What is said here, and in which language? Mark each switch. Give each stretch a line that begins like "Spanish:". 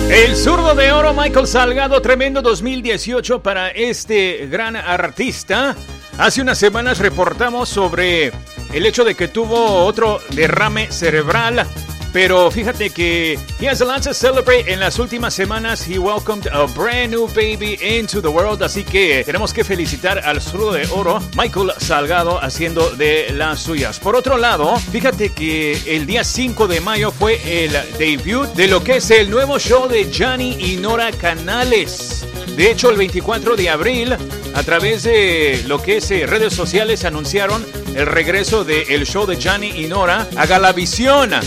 Spanish: El zurdo de oro Michael Salgado, tremendo 2018 para este gran artista. Hace unas semanas reportamos sobre el hecho de que tuvo otro derrame cerebral. Pero fíjate que
English: he has launched a celebrate
Spanish: en las últimas semanas.
English: He welcomed a brand new baby into the world.
Spanish: Así que tenemos que felicitar al zurdo de oro, Michael Salgado, haciendo de las suyas. Por otro lado, fíjate que el día 5 de mayo fue el debut de lo que es el nuevo show de Gianni y Nora Canales. De hecho, el 24 de abril, a través de lo que es redes sociales, anunciaron el regreso del show de Gianni y Nora a Galavisión.